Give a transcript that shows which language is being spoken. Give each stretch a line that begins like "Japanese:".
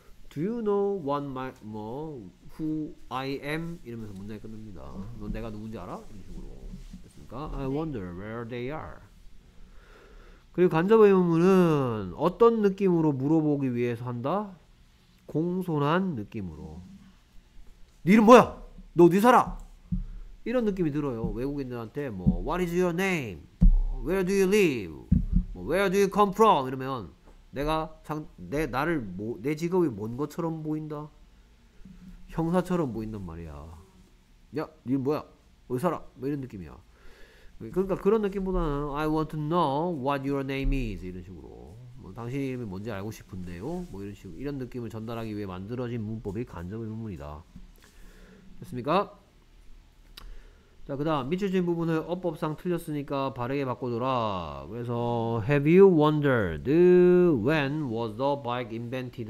English: Do you know what my, 뭐, who I am?
Korean: 이러면서 문장이 끝납니다. 넌 내가 누군지 알아? 이런 식으로. 됐습니까?
English: I wonder where they are.
Korean: 그리고 간접의 문은 어떤 느낌으로 물어보기 위해서 한다? 공손한 느낌으로. 네 이름 뭐야? 너 어디 살아? 이런 느낌이 들어요. 외국인들한테 뭐,
English: What is your name? Where do you live? Where do you come from?
Korean: 이러면 내가 상내 나를 뭐, 내 직업이 뭔 것처럼 보인다. 형사처럼 보인단 말이야. 야, 니 뭐야? 어디 살아? 뭐 이런 느낌이야. 그러니까 그런 느낌보다는
English: I want to know what your name is
Korean: 이런 식으로 뭐 당신 이름이 뭔지 알고 싶은데요. 뭐 이런 식으로 이런 느낌을 전달하기 위해 만들어진 문법이 간접의 문문이다. 됐습니까? 자, 그다음 밑줄 진 부분을 어법상 틀렸으니까 바르게 바꾸더라. 그래서
English: Have you wondered when was the bike invented?